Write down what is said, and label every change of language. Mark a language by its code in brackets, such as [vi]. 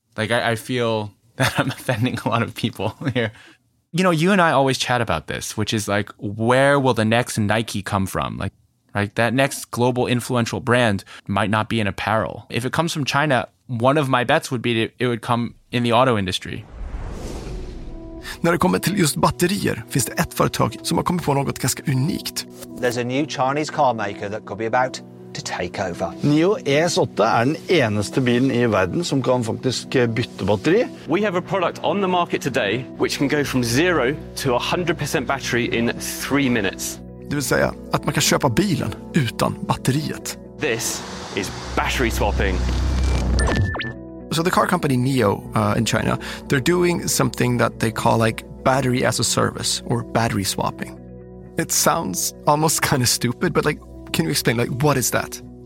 [en] Like, I feel that I'm offending a lot of people here. You know, you and I always chat about this, which is like, where will the next Nike come from? Like that next global influential brand might not be in apparel. If it comes from China, one of my bets would be it would come in the auto industry. [sv] När det kommer till just batterier finns det ett företag som har kommit på något ganska unikt. [en] There's a new Chinese car maker that could be about to take over. [sv] NIO ES8 är den enaste bilen i världen som kan faktiskt byta batteri. [en] We have a product on the market today which can go from 0 to 100% battery in 3 minutes. [sv] Det vill säga att man kan köpa bilen utan batteriet. [en] This is battery swapping. So the car company NIO in China, they're doing something that they call like battery as a service or battery swapping. It sounds almost kind of stupid, but like, can you explain, like, what is that?